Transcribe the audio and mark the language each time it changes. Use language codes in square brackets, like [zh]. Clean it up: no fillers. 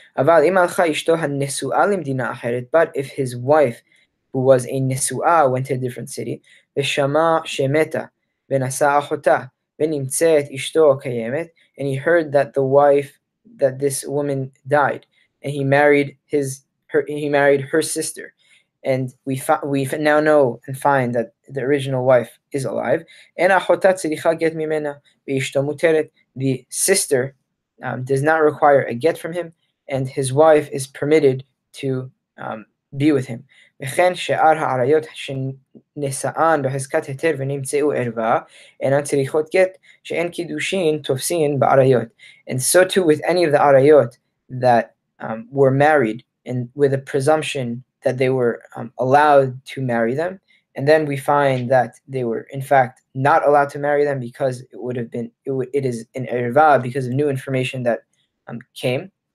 [he] Aval im alcha ishto hanesu'a limdina acheret, [en] but if his wife, who was a nesu'a, went to a different city, [he] v'shama shemeta v'nasa achota v'nimtzet ishto kayemet, [en] and he heard that the wife, that this woman died, and he married her sister, and we now know and find that the original wife is alive, [he] en achota tzericha get mimena v'ishto muteret, [en] the sister does not require a get from him, and his wife is permitted to be with him. [he] וכן שאר העריות שנשאן בחזקת היתר ונמצאו ערבה, אינן צריכות גט, שאין קידושין תופסין בעריות. [en] And so too with any of the עריות that were married, and with a presumption that they were allowed to marry them, and then we find that they were in fact not allowed to marry them because it would have been, it is an erva because of new information that came.